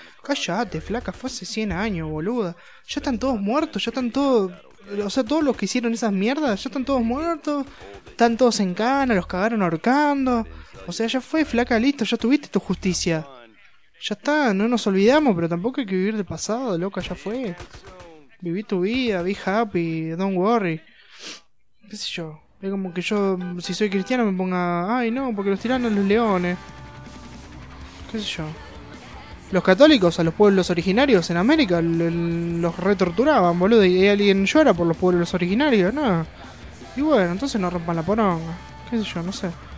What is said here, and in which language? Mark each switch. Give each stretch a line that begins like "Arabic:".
Spanish: Cállate, flaca, fue hace 100 años, boluda. Ya están todos muertos, ya están todos. O sea, todos los que hicieron esas mierdas, ya están todos muertos. Están todos en cana, los cagaron ahorcando. O sea, ya fue, flaca, listo, ya tuviste tu justicia. Ya está, no nos olvidamos, pero tampoco hay que vivir del pasado, loca, ya fue.
English: Viví tu vida, be happy, don't worry.
Spanish: ¿Qué sé yo? Es como que yo, si soy cristiano, me ponga... Ay, no, porque los tiranos los leones. ¿Qué sé yo? Los católicos, a los pueblos originarios en América, los retorturaban, boludo. Y alguien llora por los pueblos originarios, ¿no? Y bueno, entonces no rompan la poronga. ¿Qué sé yo? No sé.